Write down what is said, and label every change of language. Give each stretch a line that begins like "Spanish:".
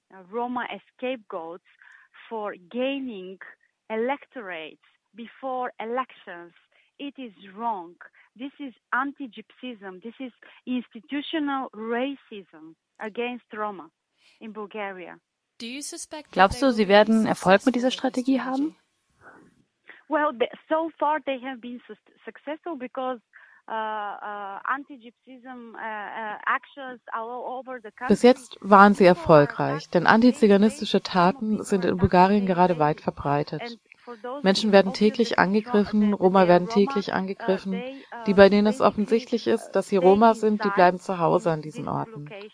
English: Roma as scapegoats for gaining electorates before elections. It is wrong. This is anti-Gypsyism. This is institutional racism against Roma in Bulgaria. Do you suspect?
German: Glaubst du, sie werden Erfolg mit dieser Strategie haben?
English: Well, so far they have been successful because
German: bis jetzt waren sie erfolgreich, denn antiziganistische Taten sind in Bulgarien gerade weit verbreitet. Menschen werden täglich angegriffen, Roma werden täglich angegriffen. Die, bei denen es offensichtlich ist, dass sie Roma sind, die bleiben zu Hause an diesen Orten.